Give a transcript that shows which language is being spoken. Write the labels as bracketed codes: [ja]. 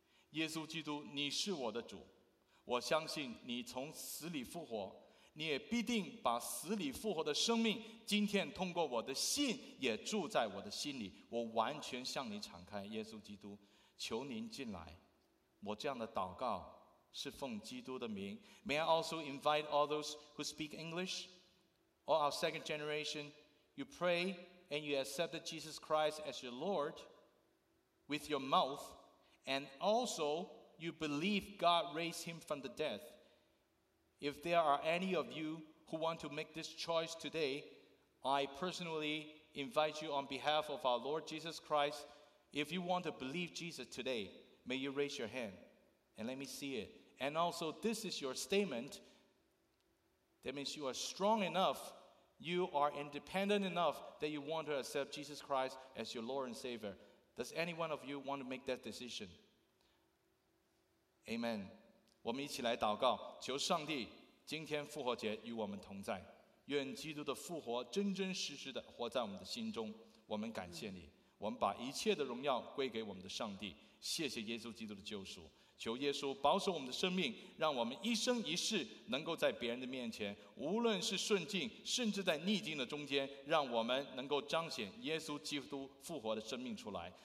[zh] 耶稣基督，你是我的主，我相信你从死里复活，你也必定把死里复活的生命今天通过我的信也住在我的心里，我完全向你敞开。耶稣基督，求您进来。我这样的祷告是奉基督的名。 [en] May I also invite all those who speak English, all our second generation, you pray and you accept Jesus Christ as your Lord with your mouth, and also you believe God raised him from the dead. If there are any of you who want to make this choice today, I personally invite you on behalf of our Lord Jesus Christ. If you want to believe Jesus today, may you raise your hand and let me see it. And also, this is your statement. That means you are strong enough, you are independent enough that you want to accept Jesus Christ as your Lord and Savior. Does any one of you want to make that decision? Amen. [zh] 我们一起来祷告，求上帝今天复活节与我们同在，愿基督的复活真真实实的活在我们的心中。我们感谢你，我们把一切的荣耀归给我们的上帝，谢谢耶稣基督的救赎，求耶稣保守我们的生命，让我们一生一世能够在别人的面前，无论是顺境甚至在逆境的中间，让我们能够彰显耶稣基督复活的生命出来。